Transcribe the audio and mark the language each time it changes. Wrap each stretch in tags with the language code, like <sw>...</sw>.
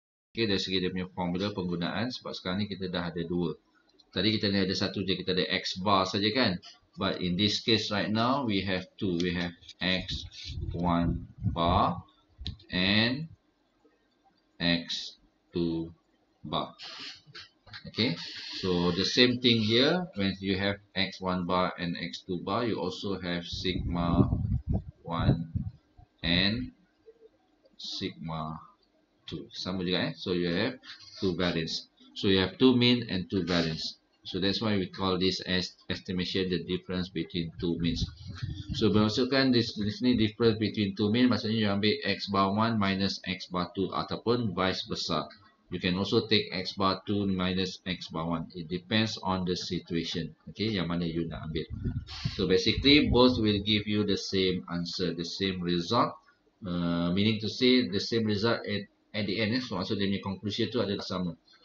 <ms>Okay, dari segi dia punya formula penggunaan, sebab sekarang ni kita dah ada dua. Tadi kita ni ada satu je, kita ada X bar saja kan.</ms> <en>But in this case right now, we have two. We have X1 bar and X2 bar. Okay, so the same thing here. When you have X1 bar and X2 bar, you also have sigma 1 and sigma 2.</en> <ms>Sama juga eh.</ms> <en>So you have two variance. So you have two mean and two variance. So that's why we call this as estimation the difference between two means. So bermaksudkan this ni difference between two means, maksudnya you ambil X bar 1 minus X bar 2 ataupun vice versa. You can also take X bar 2 minus X bar 1. It depends on the situation. Okay,</en> <ms>yang mana you nak ambil.</ms> <en>So basically both will give you the same answer, the same result. Meaning to say the same result at the end.</en> <ms>So maksudnya dia punya conclusion tu adalah sama.</ms>